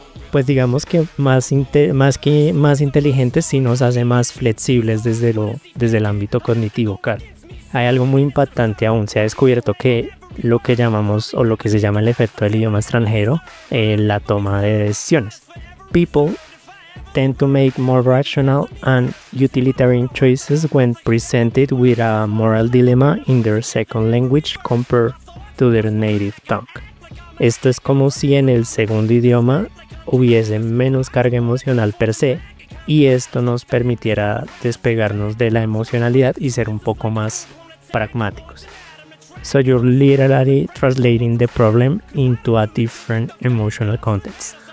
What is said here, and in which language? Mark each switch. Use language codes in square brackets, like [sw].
[es] Pues digamos que más inteligentes, sí nos hace más flexibles desde el ámbito cognitivo, Carl. Hay algo muy impactante aún. Se ha descubierto que lo que llamamos o lo que se llama el efecto del idioma extranjero, la toma de decisiones. [en] People tend to make more rational and utilitarian choices when presented with a moral dilemma in their second language compared to their native tongue. [es] Esto es como si en el segundo idioma hubiese menos carga emocional per se, y esto nos permitiera despegarnos de la emocionalidad y ser un poco más pragmáticos. [en] So you're literally translating the problem into a different emotional context.